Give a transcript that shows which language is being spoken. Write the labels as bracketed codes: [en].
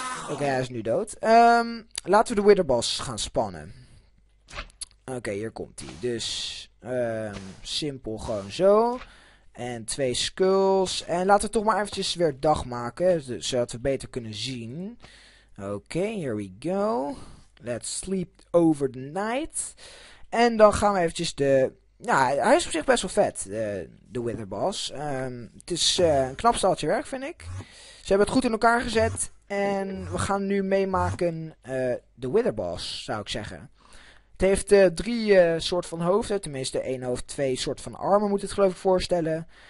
[nl] Oké, hij is nu dood. Laten we de Witherboss gaan spannen. Oké, hier komt hij. Dus, simpel gewoon zo. En twee skulls. En laten we toch maar eventjes weer dag maken, zodat we beter kunnen zien. [en] Oké, here we go. Let's sleep over the night. [nl] En dan gaan we eventjes de... Ja, hij is op zich best wel vet, de Witherboss. Het is een knap staaltje werk, vind ik. Ze hebben het goed in elkaar gezet. En we gaan nu meemaken de Witherboss, zou ik zeggen. Het heeft drie soort van hoofden. Tenminste, één hoofd, twee soort van armen moet het geloof ik voorstellen.